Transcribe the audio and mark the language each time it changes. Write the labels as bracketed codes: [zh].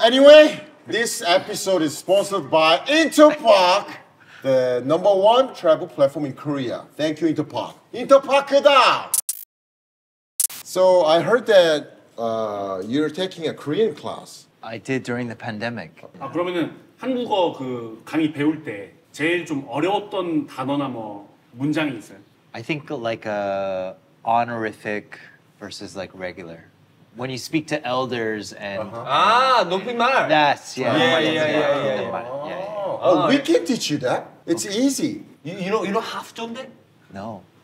[en] Anyway, this episode is sponsored by Interpark, the number one travel platform in Korea. Thank you, Interpark. Interpark-da! So I heard that you're taking a Korean class. I did during the pandemic. [ko] 그러면은 한국어 그 강의 배울 때 제일 좀 어려웠던 단어나 뭐 문장이 있어요? [en] I think like a honorific versus like regular. When you speak to elders and [ko] 높임말. [en] That's yeah. Oh, we can teach you that. It's easy. You know half 존댓? No.